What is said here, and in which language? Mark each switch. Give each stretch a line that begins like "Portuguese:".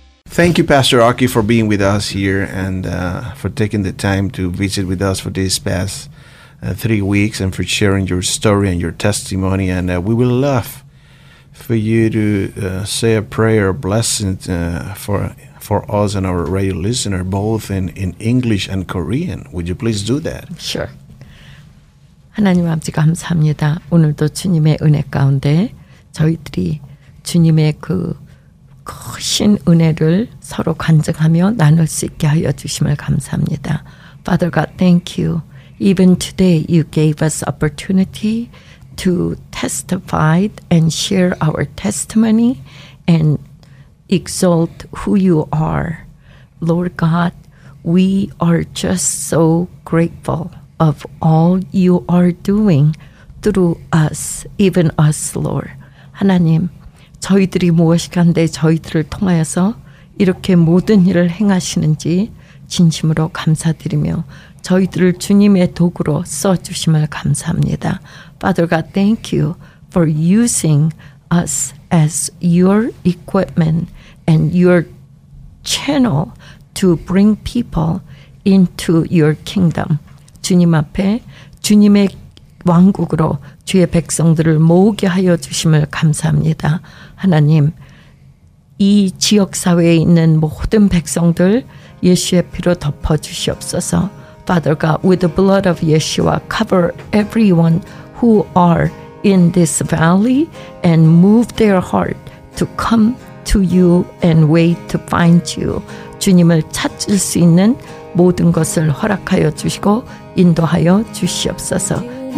English: Thank you, Pastor Okee, for being with us here and for taking the time to visit with us for these past 3 weeks and for sharing your story and your testimony. And we would love for you to say a prayer, a blessing for us and our radio listener, both in English and Korean. Would you please do that? Sure.
Korean: 하나님 아버지 감사합니다. 오늘도 주님의 은혜 가운데 저희들이 주님의 그 크신 은혜를 서로 간증하며 나눌 수 있게 하여 주심을 감사합니다.
English: Father God, thank you. Even today, you gave us opportunity to testify and share our testimony and exalt who you are. Lord God, we are just so grateful of all you are doing through us, even us, Lord.
Korean: 하나님, 저희들이 무엇인데 저희들을 통하여서 이렇게 모든 일을 행하시는지 진심으로 감사드리며 저희들을 주님의 도구로 써주심을 감사합니다.
English: Father God, thank you for using us as your equipment and your channel to bring people into your kingdom.
Korean: 주님 앞에 주님의 왕국으로 주의 백성들을 모으게 하여 주심을 감사합니다. 하나님, 이 지역사회에 있는 모든 백성들 예수의 피로 덮어주시옵소서.
English: Father God, with the blood of Yeshua, cover everyone who are in this valley and move their heart to come to you and wait to find you.
Korean: 주님을 찾을 수 있는 모든 것을 허락하여 주시고 인도하여 주시옵소서.